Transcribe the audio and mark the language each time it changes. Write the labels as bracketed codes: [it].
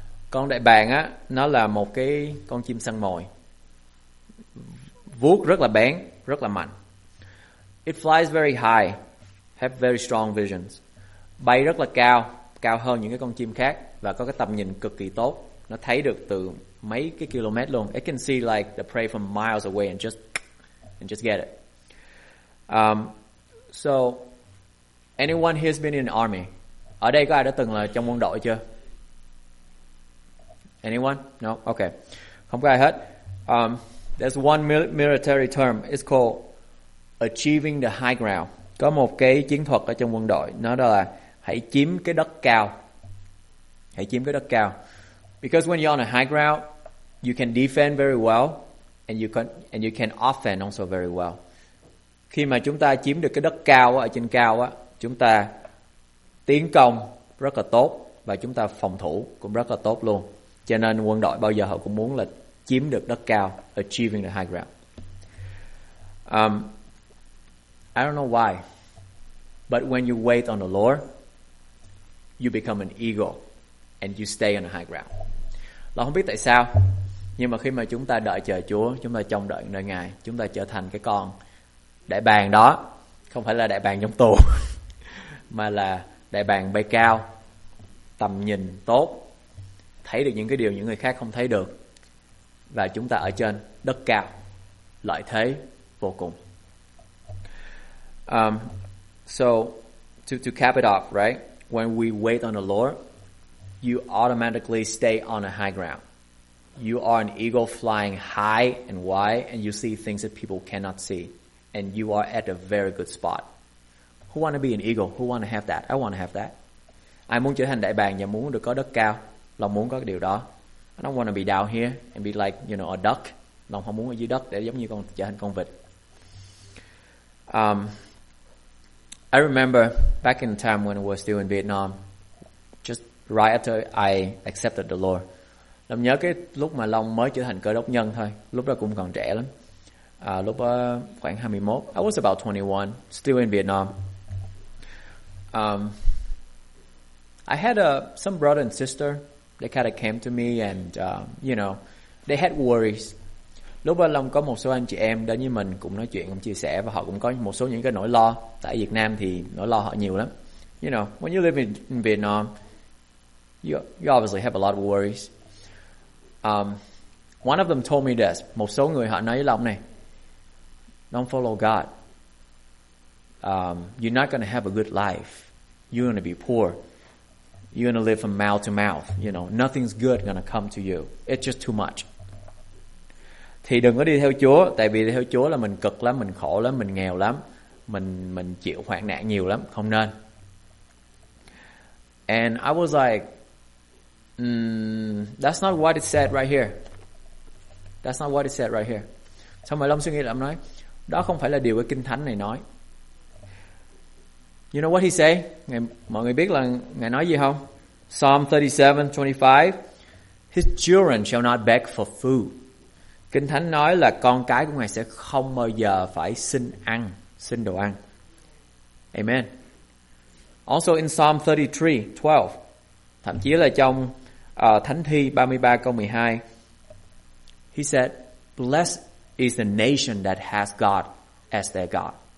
[vi] Con đại bàng á, nó là một cái con chim săn mồi. Vuốt rất là bén, rất là mạnh. [en] It flies very high, have very strong visions. [vi] Bay rất là cao, cao hơn những cái con chim khác và có cái tầm nhìn cực kỳ tốt. Nó thấy được từ mấy cái km luôn. [en] It can see like the prey from miles away and just get it. So anyone here's been in the army? [vi] Ở đây có ai đã từng là trong quân đội chưa? [en] Anyone? No? Okay. [vi] Không có ai hết. [en] There's one military term. It's called achieving the high ground. [vi] Có một cái chiến thuật ở trong quân đội. Nó đó là hãy chiếm cái đất cao. Hãy chiếm cái đất cao. [en] Because when you're on a high ground, you can defend very well and you can offend also very well. [vi] Khi mà chúng ta chiếm được cái đất cao ở trên cao á, chúng ta tiến công rất là tốt và chúng ta phòng thủ cũng rất là tốt luôn. Cho nên quân đội bao giờ họ cũng muốn là chiếm được đất cao, [en] achieving the high ground. I don't know why, but when you wait on the Lord, you become an eagle and you stay on the high ground. [vi] Là không biết tại sao, Nhưng mà khi mà chúng ta đợi chờ Chúa, chúng ta trông đợi nơi Ngài, chúng ta trở thành cái con đại bàng đó, không phải là đại bàng trong tù, mà là đại bàng bay cao, tầm nhìn tốt, thấy được những cái điều những người khác không thấy được, và chúng ta ở trên đất cao, lợi thế vô cùng. [en] So to cap it off, right? When we wait on the Lord, you automatically stay on a high ground. You are an eagle flying high and wide, and you see things that people cannot see, and you are at a very good spot. Who want to be an eagle? Who want to have that? I want to have that. [vi] Ai muốn trở thành đại bàng và muốn được có đất cao, lòng muốn có cái điều đó. [en] I don't want to be down here and be like, you know, a duck. [vi] Lòng không muốn ở dưới đất để giống như con trở thành con vịt. [en] I remember back in the time when I was still in Vietnam, just right after I accepted the Lord. [vi] Lòng nhớ cái lúc mà Long mới trở thành cơ đốc nhân thôi, lúc đó cũng còn trẻ lắm. Lúc khoảng 21, [en] I was about 21, still in Vietnam. I had some brother and sister, they kind of came to me and, you know, they had worries. [vi] Lúc đó Long có một số anh chị em đến với mình cũng nói chuyện, cũng chia sẻ và họ cũng có một số những cái nỗi lo. Tại Việt Nam thì nỗi lo họ nhiều lắm. [en] You know, when you live in Vietnam, you obviously have a lot of worries. One of them told me this. [vi] Một số người họ nói với Long này, [en] don't follow God. You're not going to have a good life. You're going to be poor. You're going to live from mouth to mouth. You know, nothing's good going to come to you. It's just too much. [vi] Thì đừng có đi theo Chúa, tại vì theo Chúa là mình cực lắm, mình khổ lắm, mình nghèo lắm, mình chịu hoạn nạn nhiều lắm, không nên. [en] And I was like, that's not what it said right here. That's not what it said right here. [vi] Xong rồi Long suy nghĩ là ông nói, đó không phải là điều cái Kinh Thánh này nói. [en] You know what he say? [vi] Mọi người biết là Ngài nói gì không? [en] Psalm 37:25, his children shall not beg for food. [vi] Kinh Thánh nói là con cái của Ngài sẽ không bao giờ phải xin ăn, xin đồ ăn. Amen. [en] Also in Psalm 33:12, [vi] thậm chí là trong Thánh Thi 33 câu 12, [en] he said, blessed is the nation that has God as their God.